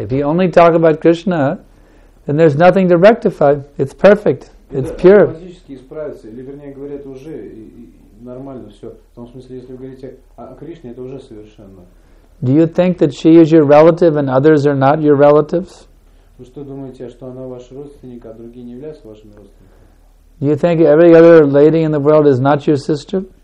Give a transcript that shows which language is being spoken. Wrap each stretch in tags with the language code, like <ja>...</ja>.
<en>If you only talk about Krishna, then there's nothing to rectify. It's perfect. It's pure.</en> <ru>Автоматически исправится, или вернее говоря, это уже нормально все. В том смысле, если вы говорите о Кришне, это уже совершенно.</ru> <en>Do you think that she is your relative and others are not your relatives? Do you think every other lady in the world is not your sister?</en>